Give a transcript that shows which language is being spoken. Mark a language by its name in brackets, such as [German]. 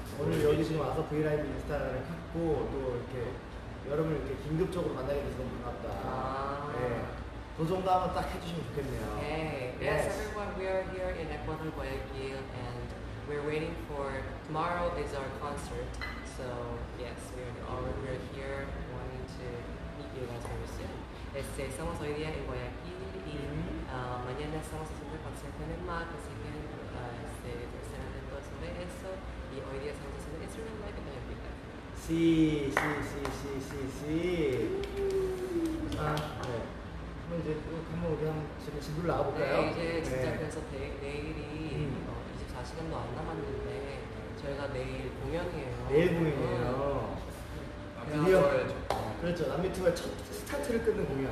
[Korean] 오늘 여기 지금 와서 브이라이브 인스타를 갖고 또 이렇게 여러분을 이렇게 긴급적으로 만나게 돼서 너무 반갑다. 그 정도 한번 딱 해주시면 좋겠네요. [English] Okay. Yes, everyone, we are here in Ecuador, Guayaquil, and we're waiting for tomorrow is our concert. So, yes, we are here wanting to meet you guys very soon. [Spanish] Estamos hoy día en Guayaquil y mañana estamos haciendo el concierto en el MAC, así que estén atentos sobre eso. Y hoy día estamos haciendo Instagram Live en Guayaquil. Sí. [English] Ah, yeah. [Korean] 이제 한번 우리 한번 집에 집을 나가볼까요? 네, 이제 진짜 네. 그래서 내일이 24시간도 안 남았는데 저희가 내일 공연이에요. 내일 공연이에요. 드디어 그렇죠. 남미 투어의 첫 스타트를 끊는 공연.